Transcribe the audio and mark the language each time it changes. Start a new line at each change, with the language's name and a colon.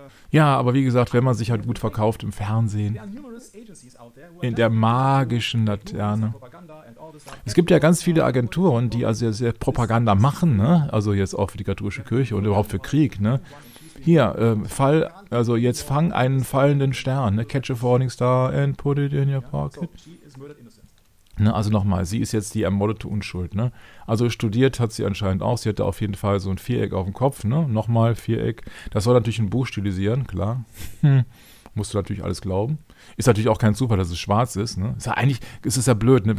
German: Ja, aber wie gesagt, wenn man sich halt gut verkauft im Fernsehen, in der magischen Laterne. Es gibt ja ganz viele Agenturen, die also sehr, sehr Propaganda machen, ne? Also jetzt auch für die katholische Kirche und überhaupt für Krieg. Ne? Hier, Fall, also jetzt fang einen fallenden Stern, ne?
English: Catch a falling star and put it in your pocket.
German: Ne, also nochmal, sie ist jetzt die ermordete Unschuld. Ne? Also studiert hat sie anscheinend auch. Sie hatte auf jeden Fall so ein Viereck auf dem Kopf. Ne? Nochmal Viereck. Das soll natürlich ein Buch stilisieren, klar. Musst du natürlich alles glauben. Ist natürlich auch kein Zufall, dass es schwarz ist. Ne? Ist ja eigentlich, ist es ja blöd, ne?